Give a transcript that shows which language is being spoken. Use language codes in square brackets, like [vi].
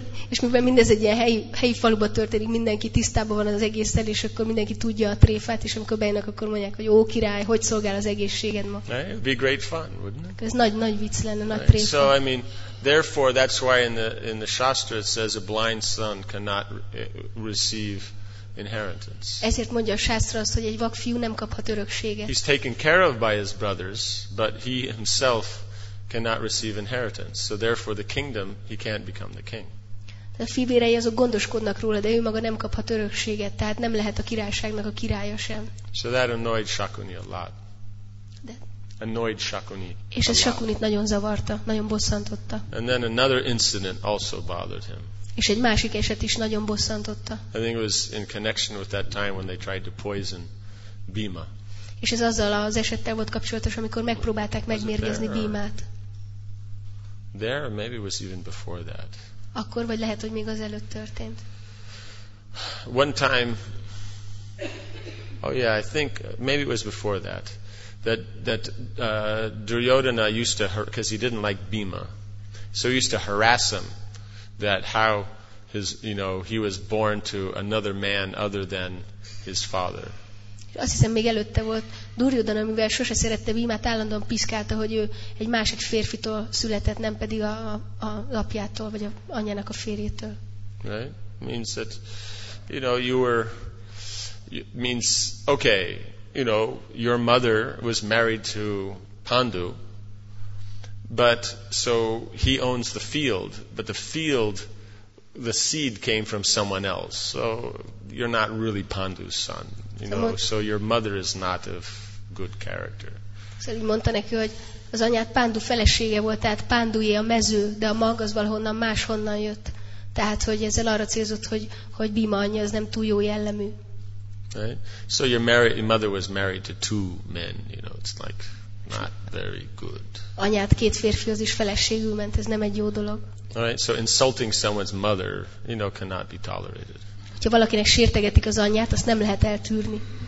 [hu] És mivel mindez egy ilyen helyi faluban történik, mindenki tisztában van az egésszel, és akkor mindenki tudja a tréfát, és amikor bejönnek, akkor mondják, hogy ó, király, hogy szolgál az egészséged ma? [en] Right? It'd be great fun, wouldn't it? [hu] Ez nagy vicc lenne, nagy tréfa. [en] So, I mean, therefore, that's why in the Shastra it says a blind son cannot receive inheritance. [hu] Ezért mondja a Shastra azt, hogy egy vakfiú nem kaphat örökséget. [en] He's taken care of by his brothers, but he himself cannot receive inheritance. So therefore the kingdom, he can't become the king. [hu] A fivérei azok gondoskodnak róla, de ő maga nem kaphat örökséget, tehát nem lehet a királyságnak a királya sem. [en] So that annoyed Shakuni a lot. Annoyed Shakuni. [hu] És ez Shakunit nagyon zavarta, nagyon bosszantotta. [en] And then another incident also bothered him. [hu] És egy másik eset is nagyon bosszantotta. [en] I think it was in connection with that time when they tried to poison Bhima. [hu] És ez azzal az esettel volt kapcsolatos, amikor megpróbálták megmérgezni Bhimát. [en] There, maybe it was even before that. [hu] Akkor vagy lehet, hogy még az előtt történt. [en] One time, oh yeah, I think maybe it was before that, that Duryodhana used to, because he didn't like Bhima, so he used to harass him that how his, you know, he was born to another man other than his father. [hu] Azt hiszem, még előtte volt Duryodhana, amivel sose szerette Bhimát, állandóan piszkálta, hogy ő egy másik férfitől született, nem pedig a apjától, vagy a anyjának a férjétől. [en] Right? Means that, you know, you were, means, okay, you know, your mother was married to Pandu, but, so, he owns the field, but the field, the seed came from someone else, so, you're not really Pandu's son. You know, so your mother is not of good character. [hu] Szóval így mondta neki, hogy az anyát Pándu felesége volt, tehát Pándujé a mező, de a mag az valahonnan máshonnan jött. Tehát, hogy ezzel arra célzott, hogy Bhima anyja az nem túl jó jellemű. [en] Right? So your mother was married to two men, you know, it's like not very good. [hu] Anyád két férfihoz is feleségül ment, ez nem egy jó dolog. [en] Right? So insulting someone's mother, you know, cannot be tolerated. [hu] Ha valakinek sértegetik az anyját, azt nem lehet eltűrni.